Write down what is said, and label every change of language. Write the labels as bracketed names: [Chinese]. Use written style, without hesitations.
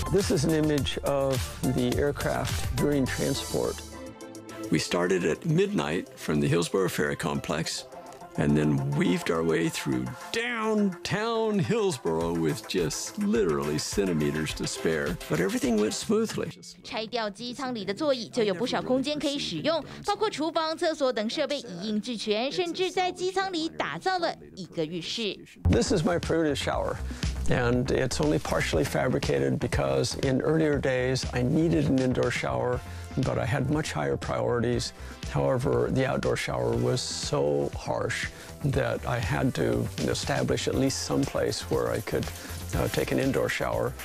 [English] This is an image of the aircraft during transport. We started at midnight from the Hillsboro Ferry Complex. And then weaved our way through downtown Hillsboro with just literally centimeters to spare. But everything went smoothly. [Chinese] 拆掉机舱里的座椅，就有不少空间可以使用，包括厨房、厕所等设备一应俱全，甚至在机舱里打造了一个浴室. [English] This is my prudish shower, and it's only partially fabricated because in earlier days I needed an indoor shower, but I had much higher priorities. However, the outdoor shower was so harsh that I had to establish at least some place where I could take an indoor shower.